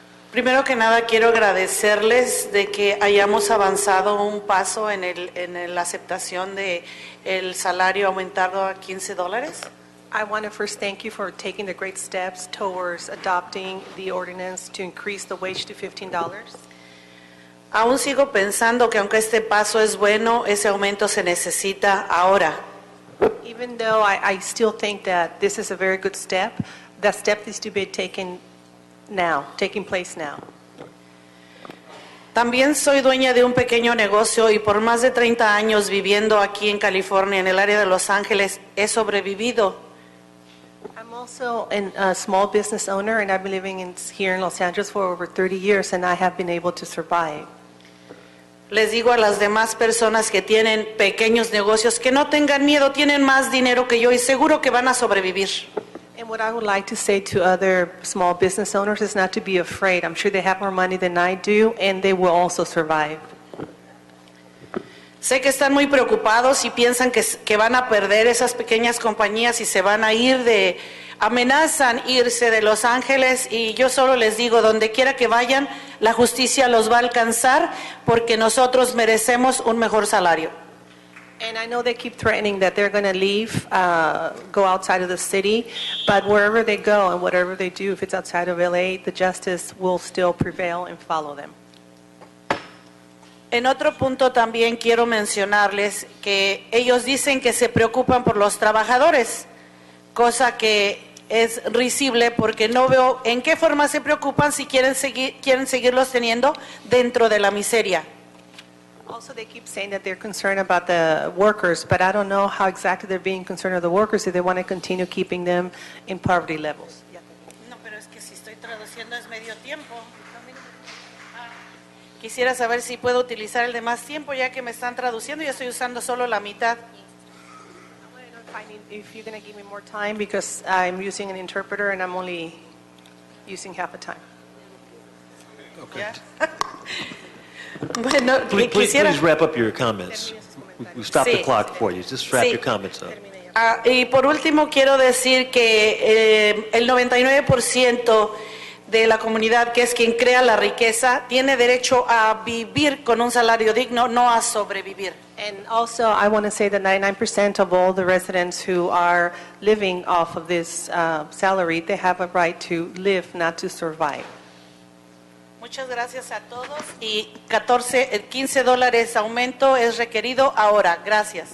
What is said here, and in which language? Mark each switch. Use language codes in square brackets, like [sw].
[es] Primero que nada, quiero agradecerles de que hayamos avanzado un paso en la aceptación de el salario aumentado a $15. [en] I want to first thank you for taking the great steps towards adopting the ordinance to increase the wage to $15. [es] Aún sigo pensando que aunque este paso es bueno, ese aumento se necesita ahora. [en] Even though I still think that this is a very good step, that step needs to be taken now, taking place now. [es] También soy dueña de un pequeño negocio y por más de 30 años viviendo aquí en California, en el área de Los Ángeles, he sobrevivido. [en] I'm also a small business owner and I've been living here in Los Angeles for over 30 years and I have been able to survive. [es] Les digo a las demás personas que tienen pequeños negocios que no tengan miedo, tienen más dinero que yo y seguro que van a sobrevivir. [en] And what I would like to say to other small business owners is not to be afraid. I'm sure they have more money than I do, and they will also survive. [es] Sé que están muy preocupados y piensan que van a perder esas pequeñas compañías y se van a ir de, amenazan irse de Los Ángeles, y yo solo les digo, donde quiera que vayan, la justicia los va a alcanzar porque nosotros merecemos un mejor salario. [en] And I know they keep threatening that they're going to leave, go outside of the city, but wherever they go and whatever they do, if it's outside of LA, the justice will still prevail and follow them. [es] En otro punto también quiero mencionarles que ellos dicen que se preocupan por los trabajadores, cosa que es risible porque no veo en qué forma se preocupan si quieren seguirlos teniendo dentro de la miseria. [en] Also, they keep saying that they're concerned about the workers, but I don't know how exactly they're being concerned of the workers if they want to continue keeping them in poverty levels. [es] No, pero es que si estoy traduciendo es medio tiempo. Quisiera saber si puedo utilizar el demás tiempo ya que me están traduciendo y estoy usando solo la mitad. [en] I want to know if you're going to give me more time because I'm using an interpreter and I'm only using half the time. Okay. Yeah. Bueno, please wrap up your comments. We stopped the clock for you. Just wrap your comments up. [es] Y por último quiero decir que el 99% de la comunidad, que es quien crea la riqueza, tiene derecho a vivir con un salario digno, no a sobrevivir. [en] And also, I want to say that 99% of all the residents who are living off of this salary, they have a right to live, not to survive. [es] Muchas gracias a todos. Y 14, $15 aumento es requerido ahora. Gracias.